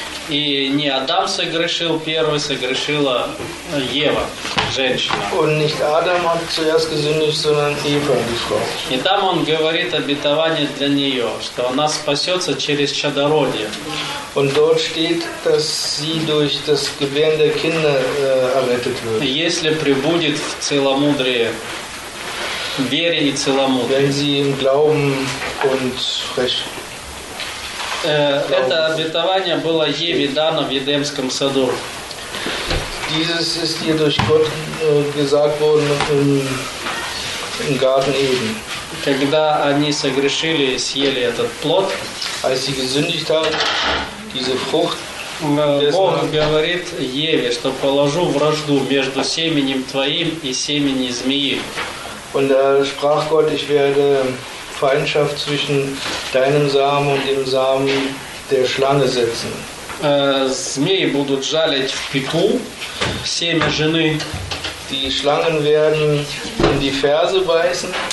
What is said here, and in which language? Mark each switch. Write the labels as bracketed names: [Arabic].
[Russian] И не Адам согрешил, первый согрешила Ева, женщина. [German] Und nicht Adam hat zuerst gesündigt, sondern Eva, die Frau. [Russian] И там он говорит обетование для нее, что она спасется через чадородие. [German] Und dort steht, dass sie durch das Gebären der Kinder errettet wird. [Russian] Если пребудет в целомудрии, вере и целомудрии. [German] Wenn sie im Glauben und Recht. [Russian] Это обетование было Еве дано в Едемском саду. [German] Dieses ist ihr durch Gott gesagt worden im Garten Eden. [Russian] Когда они согрешили и съели этот плод, [German] als sie gesündigt haben, diese Frucht, [Russian] Бог говорит Еве, что положу вражду между семенем твоим и семенем змеи. [German] Und er sprach Gott, ich werde Feindschaft zwischen deinem Samen und dem Samen der Schlange setzen. [Russian] Змеи будут жалить в пику семя жены. [German] Die Schlangen werden in die Ferse beißen.